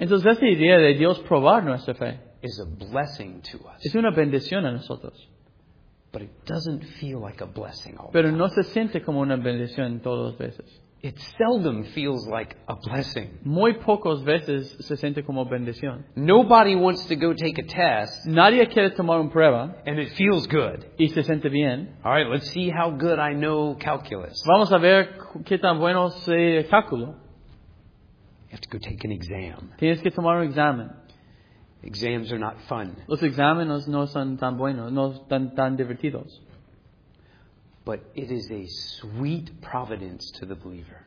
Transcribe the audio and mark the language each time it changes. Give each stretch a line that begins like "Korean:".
Spanish: Entonces esta idea de Dios probar nuestra fe
English: is a blessing to us.
Spanish: Es una bendición a nosotros.
English: But it doesn't feel like a blessing all.
Spanish: Pero no se siente como una bendición todas las veces.
English: It seldom feels like a blessing.
Spanish: Muy pocas veces se siente como bendición.
English: Nobody wants to go take a test.
Spanish: Nadie quiere tomar una prueba.
English: And it feels good.
Spanish: Y se siente bien.
English: All right, let's see how good I know calculus.
Spanish: Vamos a ver qué tan bueno sé cálculo.
English: You have to go take an exam.
Spanish: Tienes que tomar un examen.
English: Exams are not fun.
Spanish: Los exámenes no son tan buenos, no son tan divertidos.
English: But it is a sweet providence to the believer.